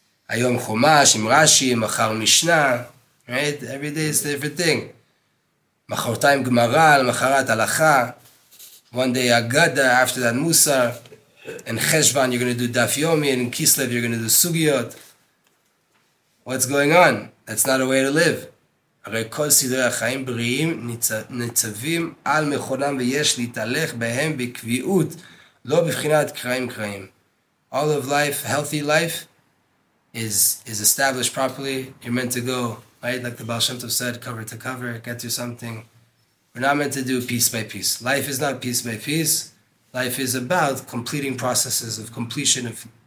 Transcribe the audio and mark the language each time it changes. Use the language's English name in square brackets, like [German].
[Hebrew] Ayom Chumash, Im Rashi, Machar Mishnah, right? [English] Every day is a different thing. Machortayim Gemara, Macharat Halacha, one day Agada, after that Musar, and Cheshvan, you're going to do Daf Yomi, and in Kislev, you're going to do Sugiyot. What's going on? That's not a way to live. [Hebrew] הרי כל סדרי החיים בריאים ניצבים על מכונם ויש להתהלך בהם בקביעות, לא בבחינת קרעים קרעים. [English] All of life, healthy life, is established properly. You're meant to go, right? Like the Baal Shem Tov said, cover to cover, get to something. We're not meant to do piece by piece. Life is not piece by piece. Life is about completing processes of completion, of